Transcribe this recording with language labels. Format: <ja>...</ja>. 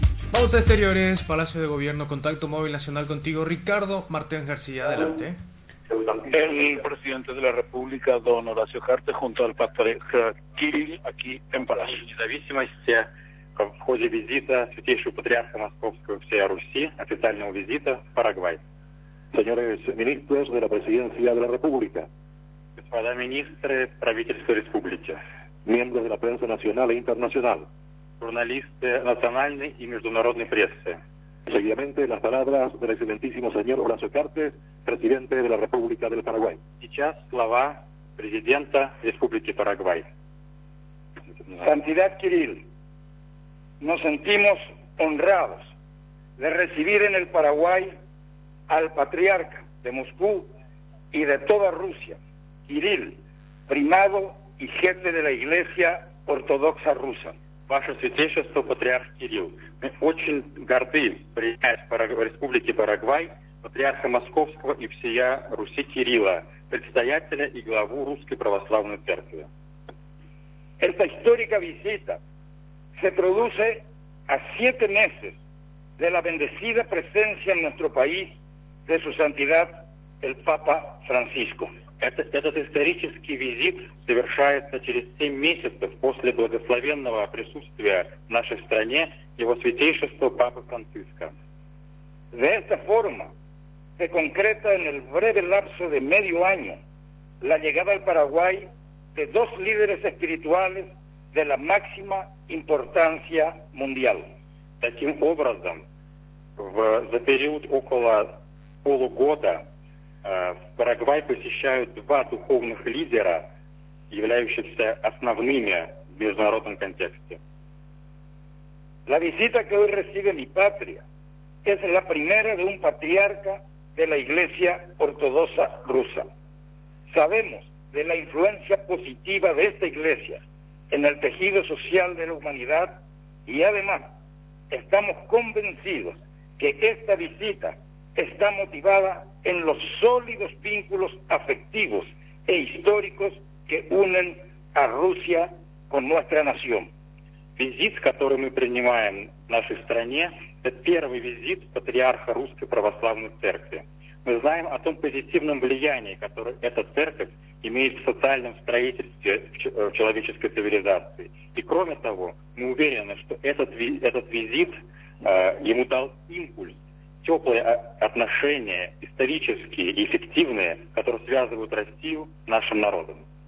<es>Vamos a exteriores, Palacio de Gobierno, Contacto Móvil Nacional contigo, Ricardo Martínez García, adelante. El presidente de la República, don Horacio Jarte, junto al pastor Kirill, aquí en Palacio.</es> <ru>Независимость в ходе визита святейшего патриарха Московского всея Руси, официального визита в Парагвай.</ru> <es>Señores ministros de la Presidencia de la República.</es> <ru>Господа министры правительства республики.</ru> <es>Miembros de la prensa nacional e internacional.</es> <ru>Журналисты национальной и международной прессы.</ru> <es>Seguidamente las palabras del excelentísimo señor Horacio Jarte, presidente de la República del Paraguay.</es> <ru>Сейчас слова президента Республики Парагвай.</ru> <es>Santidad Kirill, nos sentimos honrados de recibir en el Paraguay al patriarca de Moscú y de toda Rusia, Kirill, primado y jefe de la Iglesia Ortodoxa Rusa.</es> <ru>Ваше святейшество, патриарх Кирилл, мы очень горды принять в Республике Парагвай патриарха Московского и всея Руси Кирилла, председателя и главу Русской Православной Церкви. Эта историческая визита</ru> <es>se produce a 7 meses de la bendecida presencia en nuestro país de su santidad el Papa Francisco.</es> <ru>Этот исторический визит совершается через 7 месяцев после благословенного присутствия в нашей стране Его Святейшества Папы Франциска.</ru> <es>De esta forma se concreta en el breve lapso de medio año la llegada al Paraguay de dos líderes espirituales de la máxima importancia mundial.</es> <ru>Таким образом, за период около полугода в Парагвай посещают два духовных лидера, являющихся основными в международном контексте.</ru> <es>La visita que hoy recibe mi patria es la primera de un patriarca de la Iglesia Ortodoxa Rusa. Sabemos de la influencia positiva de esta iglesia en el tejido social de la humanidad y además estamos convencidos que esta visita está motivada en los sólidos vínculos afectivos e históricos que unen a Rusia con nuestra nación.</es> <ru>Визит, который мы принимаем в нашей стране, это первый визит патриарха Русской Православной Церкви. Мы знаем о том позитивном влиянии, которое эта церковь имеет в социальном строительстве в человеческой цивилизации. И кроме того, мы уверены, что этот визит ему дал импульс, теплые отношения, исторические и эффективные, которые связывают Россию с нашим народом.</ru>